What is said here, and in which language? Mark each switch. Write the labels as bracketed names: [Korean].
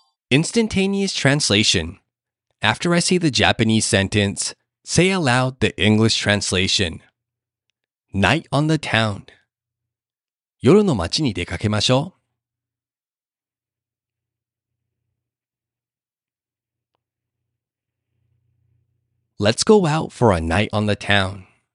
[English] Instantaneous translation. After I say the Japanese sentence, say aloud the English translation. Night on the town. [Japanese] 夜の街に出かけましょう。 [English] Let's go out for a night on the town.